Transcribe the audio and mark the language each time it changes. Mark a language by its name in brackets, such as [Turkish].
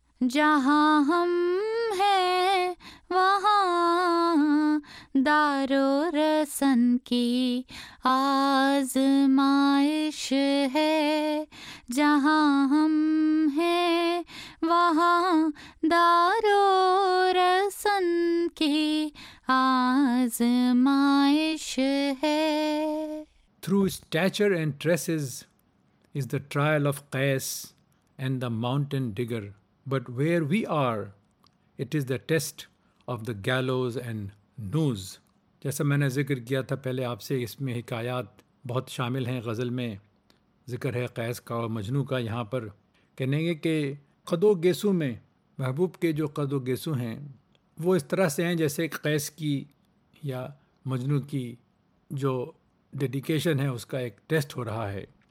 [Urdu] جہاں ہم ہیں وہاں دار و رسن کی آزمائش ہے، جہاں ہم ہیں وہاں دار و رسن کی آزمائش ہے. [English] Through stature and tresses is the trial of Qais and the mountain digger, but where we are it is the test of the gallows and noose. [Urdu] جیسا میں نے ذکر کیا تھا پہلے آپ سے، اس میں حکایات بہت شامل ہیں غزل میں، ذکر ہے قیس کا اور مجنو کا. یہاں پر کہیں گے کہ قد و گیسو میں، محبوب کے جو قد و گیسو ہیں وہ اس طرح سے ہیں جیسے قیس کی یا مجنو کی جو ڈیڈیکیشن ہے اس کا ایک ٹیسٹ ہو رہا ہے.